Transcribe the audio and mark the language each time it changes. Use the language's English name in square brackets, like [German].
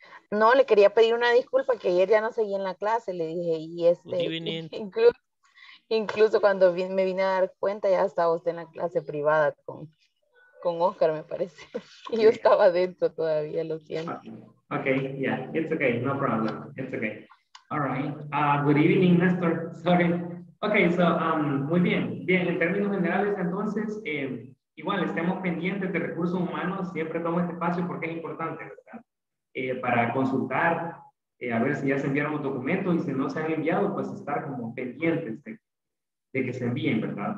[Spanish] No, le quería pedir una disculpa que ayer ya no seguí en la clase, le dije, y este, incluso cuando me vine a dar cuenta, ya estaba usted en la clase privada con Oscar, me parece, y yo estaba dentro todavía, lo siento. [English] Ok, yeah, it's okay, no problem, it's okay. All right, good evening, Nestor, sorry. Ok, so, [Spanish] muy bien, bien, en términos generales, entonces, igual, estemos pendientes de recursos humanos, siempre tomo este espacio porque es importante, ¿verdad? Para consultar, a ver si ya se enviaron los documentos y si no se han enviado, pues estar como pendientes de que se envíen, ¿verdad?